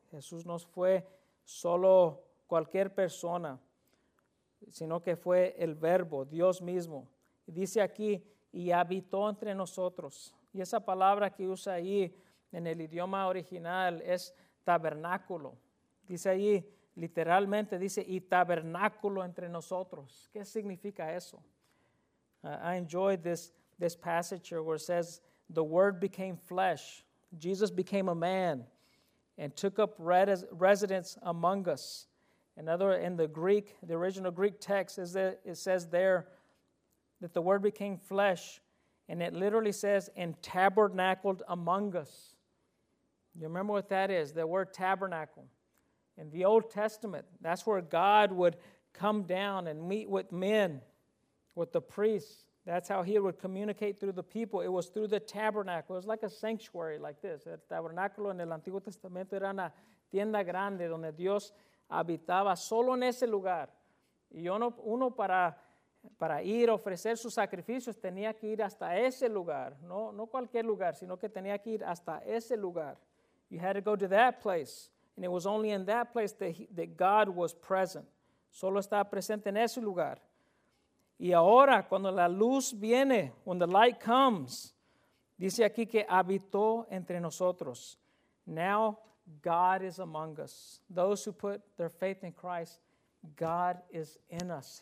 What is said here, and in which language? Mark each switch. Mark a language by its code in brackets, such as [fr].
[es] Jesús no fue solo cualquier persona, sino que fue el Verbo, Dios mismo. Dice aquí, y habitó entre nosotros. Y esa palabra que usa ahí en el idioma original es tabernáculo. Dice ahí, literalmente dice, y tabernáculo entre nosotros. ¿Qué significa eso? [en] I enjoy this passage here where it says, the word became flesh. Jesus became a man and took up residence among us. In the Greek, the original Greek text, is that it says there that the word became flesh, and it literally says, and tabernacled among us. You remember what that is, the word tabernacle. In the Old Testament, that's where God would come down and meet with men, with the priests. That's how he would communicate through the people. It was through the tabernacle. It was like a sanctuary like this. [es] El tabernáculo en el Antiguo Testamento era una tienda grande donde Dios habitaba solo en ese lugar. Y uno para ir a ofrecer sus sacrificios tenía que ir hasta ese lugar. No cualquier lugar, sino que tenía que ir hasta ese lugar. [en] You had to go to that place. And it was only in that place that God was present. [es] Solo estaba presente en ese lugar. Y ahora, cuando la luz viene, [en] when the light comes, [es] dice aquí que habitó entre nosotros. [en] Now, God is among us. Those who put their faith in Christ, God is in us.